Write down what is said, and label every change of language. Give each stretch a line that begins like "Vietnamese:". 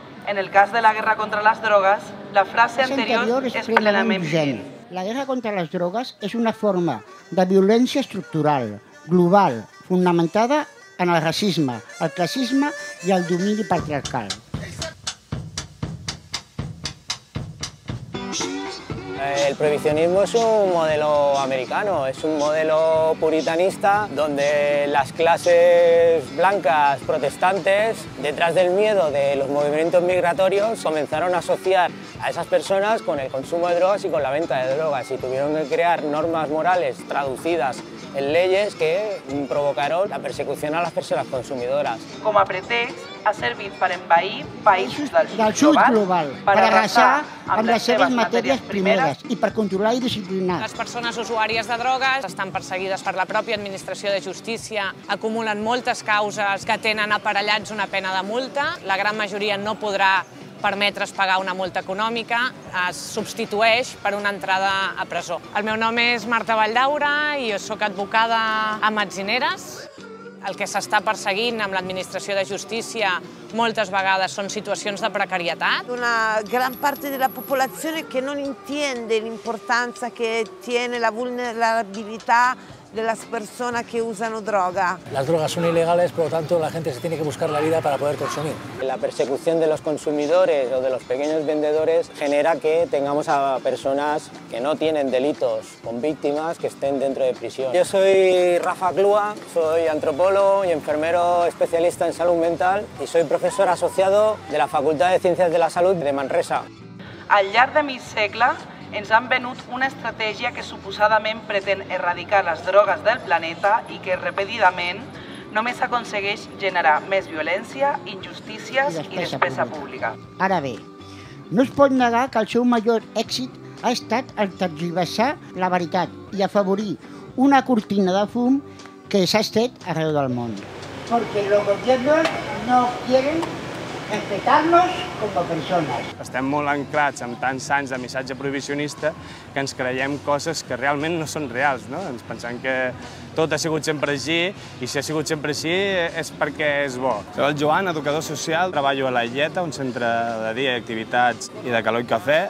Catalan: En el cas de la guerra contra les drogues, la frase anterior és plenament vigent. La guerra contra les drogues és una forma de violència estructural, global, fonamentada en el racisme, el classisme i el domini patriarcal.
Spanish: El prohibicionismo es un modelo americano, es un modelo puritanista donde las clases blancas protestantes, detrás del miedo de los movimientos migratorios, comenzaron a asociar a esas personas con el consumo de drogas y con la venta de drogas y tuvieron que crear normas morales traducidas en leyes que provocaron la persecución a las personas consumidoras.
Catalan: Com a pretext ha servit per envair països del sud global per arrasar amb les seves matèries primeres i per controlar i disciplinar. Les persones usuàries de drogues estan perseguides per la pròpia administració de justícia, acumulen moltes causes que tenen aparellats una pena de multa, la gran majoria no podrà permetre's pagar una multa econòmica, es substitueix per una entrada a presó. El meu nom és Marta Valldaura i jo sóc advocada a Metzineres. El que s'està perseguint amb l'administració de justícia moltes vegades són situacions de precarietat. Una gran part de la població que no entén l'importància que té la vulnerabilitat
Spanish: de las personas que usan droga. Las drogas son ilegales, por lo tanto la gente se tiene que buscar la vida para poder consumir. La persecución de los consumidores o de los pequeños vendedores genera que tengamos a personas que no tienen delitos con víctimas que estén dentro de prisión. Yo soy Rafa Clúa, soy antropólogo y enfermero especialista en salud mental y soy profesor asociado de la Facultad de Ciencias de la Salud de Manresa.
Catalan: Al llarg de mig segle, ens han venut una estratègia que suposadament pretén erradicar les drogues del planeta i que, repetidament, només aconsegueix generar més violència, injustícies i despesa pública. Ara bé, no es pot negar que el seu major èxit ha estat el tergiversar la veritat i afavorir una cortina de fum que s'ha estès arreu del món.
Spanish: Porque los gobiernos no quieren respetarnos como personas.
Catalan: Estem molt ancrats amb tants anys de missatge prohibicionista que ens creiem coses que realment no són reals, no? Ens pensem que tot ha sigut sempre així i si ha sigut sempre així és perquè és bo. Soc el Joan, educador social, treballo a la Illeta, un centre de dia d'activitats i de calor i cafè.